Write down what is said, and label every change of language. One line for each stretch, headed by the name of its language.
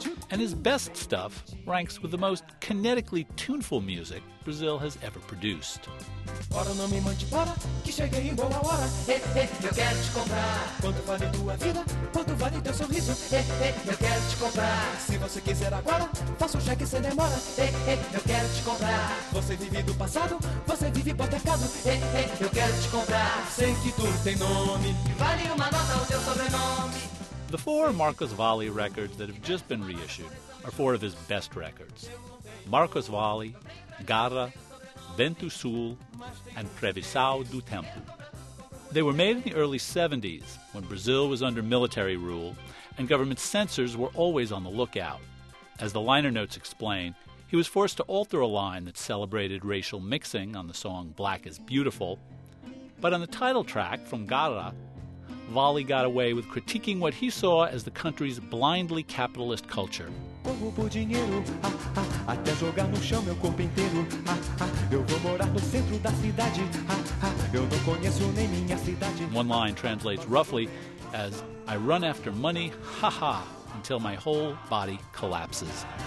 English: And his best stuff ranks with the most kinetically tuneful music Brazil has ever produced.
Portuguese: Ora não me mande para, que cheguei em boa hora. Eu quero te comprar. Quanto vale tua vida? Quanto vale teu sorriso? Eu quero te comprar. Se você quiser agora, faça o cheque sem demora. Eu quero te comprar. Você vive do passado, você vive hipotecado. Eu quero te comprar. Sei que tudo tem nome. Vale uma nota o teu sobrenome.
English: The four Marcos Valle records that have just been reissued are four of his best records. Marcos Valle, Garra, Vento Sul, and Previsão do Tempo. They were made in the early 70s, when Brazil was under military rule, and government censors were always on the lookout. As the liner notes explain, he was forced to alter a line that celebrated racial mixing on the song Black is Beautiful, but on the title track from Garra, Valle got away with critiquing what he saw as the country's blindly capitalist culture.
Portuguese: Corro por dinheiro, ah, ah, até jogar no chão meu corpo inteiro. Ah, ah, eu vou morar no centro da cidade. Ah, ah, eu não conheço nem minha cidade.
English: One line translates roughly as, I run after money, ha ha, until my whole body collapses.